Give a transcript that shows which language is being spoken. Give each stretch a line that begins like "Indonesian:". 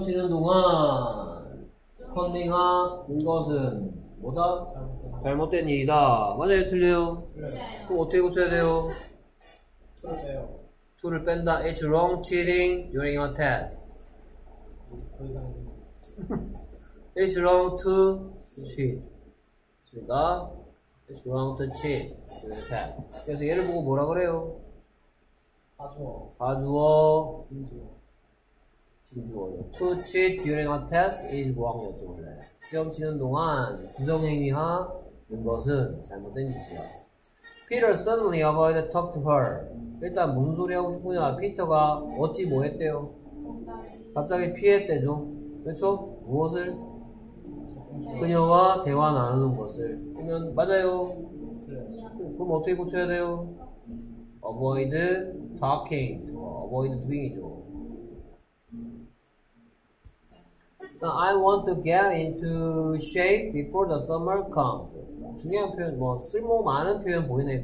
Korean: 치는 동안 컨닝한 것은 뭐다? 잘못된 일이다. 맞아요? 틀려요? 틀려요. 그럼 어떻게 고쳐야 돼요? 틀려요. 2를 뺀다.
English: It's wrong cheating during a test. It's wrong to cheat.
Korean: 맞습니다.
English: It's wrong to cheat.
Korean: 그래서 얘를 보고 뭐라 그래요? 가주어. 진주어요.
English: To cheat during a test is wrong이었죠, 원래.
Korean: 시험 치는 동안 부정행위하는 것은 잘못된 짓이야.
English: Peter suddenly avoided talk to her.
Korean: 일단 무슨 소리 하고 싶으냐? 피터가 어찌 뭐 했대요? 갑자기 피했대죠. 그렇죠? 무엇을? 그녀와 대화 나누는 것을. 그러면 맞아요. 그럼 어떻게 고쳐야 돼요?
English: Avoid talking to her. Avoid doing이죠. I want to get into shape before the summer comes.
Korean: 중요한 표현, 뭐 쓸모 많은 표현 보이네요.